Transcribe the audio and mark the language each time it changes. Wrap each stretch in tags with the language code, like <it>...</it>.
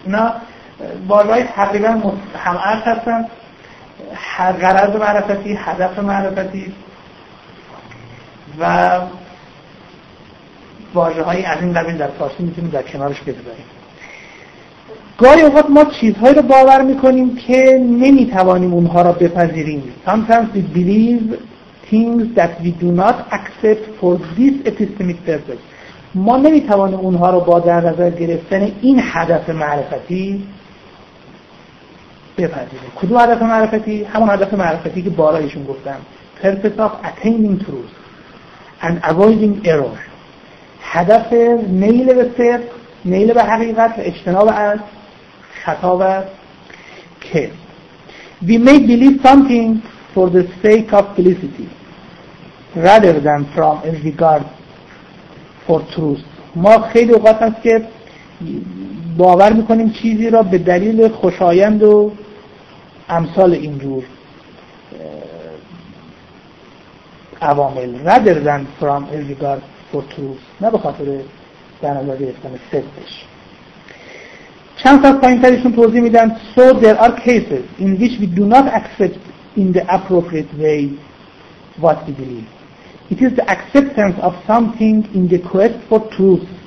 <fa>اینا واژه‌های تقریبا همعرض هستن، غرض معرفتی، هدف معرفتی و واژه هایی از این قبیل در فارسی میتونیم در کنارش بذاریم. گاهی اوقات ما چیزهایی رو باور میکنیم که نمیتوانیم اونها را بپذیریم.</fa> <en>Sometimes we believe things that we do not accept for this epistemic purpose.</en> <fa>ما نمیتوانیم اونها را با در نظر گرفتن این هدف معرفتی بپذیریم. کدوم هدف معرفتی؟ همون هدف معرفتی که بالایشون گفتم،</fa> <en>purpose of attaining truth and avoiding error،</en> <fa>هدف نیل به صرف، نیل به حقیقت و اجتناب از خطا و کس.</fa> <en>We may believe something for the sake of felicity rather than from a regard for truth.</en> <fa>ما خیلی اوقات هست که باور میکنیم چیزی را به دلیل خوشایند و امثال اینجور عوامل،</fa> <en>rather than from a regard for truth،</en> <fa>نه به خاطر در نظر گرفتن صدقش. چند تا پایین ترشون توضیح میدن.</fa> <en>So there are cases in which we do not accept in the appropriate way what we believe. It is the acceptance of something in the quest for truth.</en>